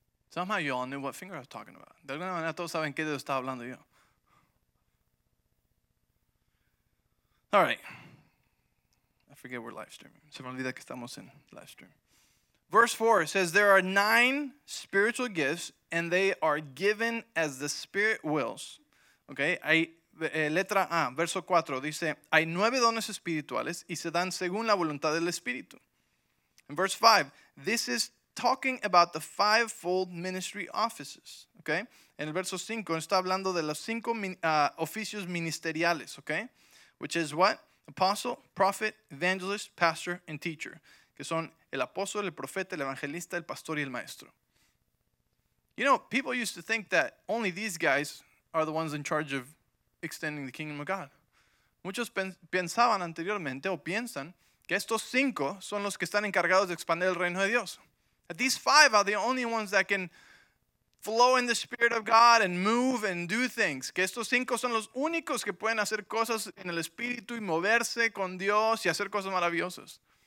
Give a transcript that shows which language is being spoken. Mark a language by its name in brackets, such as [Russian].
[English] Somehow you all knew what finger I was talking about. [Spanish] De alguna manera todos saben qué dedo estaba hablando yo. [English] All right. I forget we're live streaming. [Spanish] Se me olvida que estamos en live stream. [English] Verse 4 says, there are 9 spiritual gifts, and they are given as the Spirit wills. [Spanish] Okay, hay letra A, verso 4, dice, hay 9 dones espirituales, y se dan según la voluntad del Espíritu. [English] In verse 5, this is talking about the 5-fold ministry offices. [Spanish] Okay, en el verso 5, está hablando de los 5 oficios ministeriales. [English] Okay, which is what? Apostle, prophet, evangelist, pastor, and teacher. [Spanish] Que son el apóstol, el profeta, el evangelista, el pastor y el maestro. [English] You know, people used to think that only these guys are the ones in charge of extending the kingdom of God. [Spanish] Muchos pensaban anteriormente o piensan que estos 5 son los que están encargados de expandir el reino de Dios. [English] That these 5 are the only ones that can flow in the Spirit of God and move and do things. [Spanish] Que estos 5 son los únicos que pueden hacer cosas en el Espíritu y moverse con Dios y hacer cosas maravillosas.